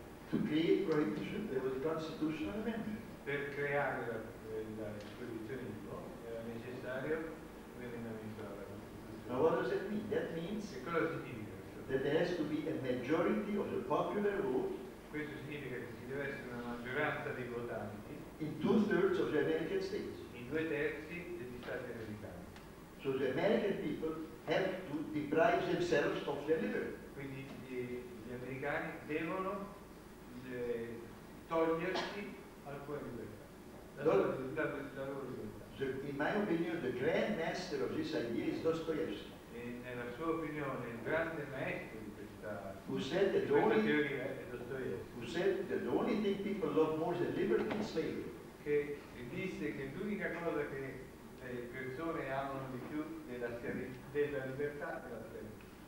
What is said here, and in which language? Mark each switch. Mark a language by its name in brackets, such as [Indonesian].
[English] To create prohibition, there was a constitutional amendment. [Italian] Per creare la proibizionismo era necessario un emendamento alla Costituzione. [English] Now what does that mean? That means [Italian] Che cosa significa? [English] That there has to be a majority of the popular vote. [Italian] Questo significa che ci deve essere una maggioranza dei votanti. [English] In two-thirds of the American states. [Italian] In due terzi degli stati americani. [English] So the American people have to deprive themselves of their liberty. [Italian] Quindi gli americani devono togliersi alcune libertà. [English] So in my opinion, the grand master of this idea is Dostoevsky. [Italian] Nella sua opinione, il grande maestro di questa, teoria è Dostoevsky. [English] Who said that the only thing people love more than liberty is slavery. [Italian] Che disse che l'unica cosa che le persone amano di più della della libertà è la schiavitù.